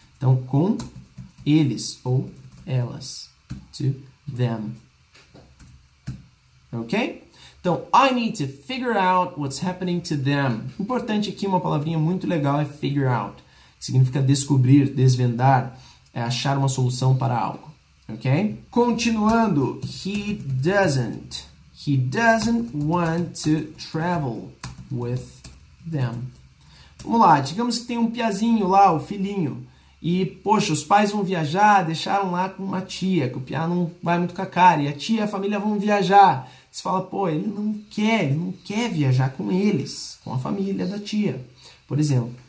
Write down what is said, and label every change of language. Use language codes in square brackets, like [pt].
[pt] Então, com eles ou elas. [en] To them. [pt] Ok? [en] Então, I need to figure out what's happening to them. [pt] Importante aqui, uma palavrinha muito legal é figure out. Significa descobrir, desvendar, é achar uma solução para algo, ok? [en] Continuando, he doesn't want to travel with them. [pt] Vamos lá, digamos que tem um piazinho lá, o filhinho, e, poxa, os pais vão viajar, deixaram lá com uma tia, que o piá não vai muito com a cara, e a tia e a família vão viajar. Você fala, pô, ele não quer viajar com eles, com a família da tia, por exemplo.